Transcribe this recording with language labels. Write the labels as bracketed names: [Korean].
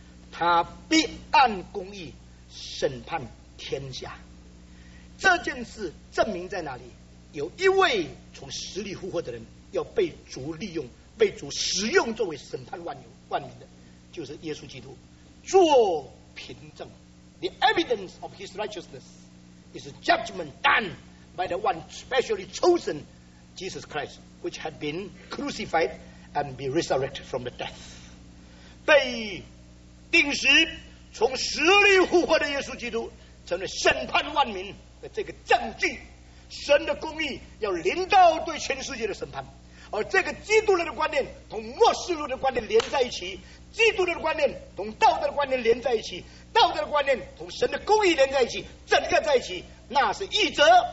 [Chinese] 他必按公义审判天下。这件事证明在哪里？有一位从死里复活的人要被主利用，被主使用作为审判万民的，就是耶稣基督，做凭证。 [English] The evidence of his righteousness is a judgment done by the one specially chosen, Jesus Christ, which had been crucified and be resurrected from the death. [Chinese] 被定时从死里复活的耶稣基督成为审判万民的这个证据，神的公义要临到对全世界的审判。而这个基督论的观念同末世论的观念连在一起，基督论的观念同道德的观念连在一起，道德的观念同神的公义连在一起，整个在一起，那是一则。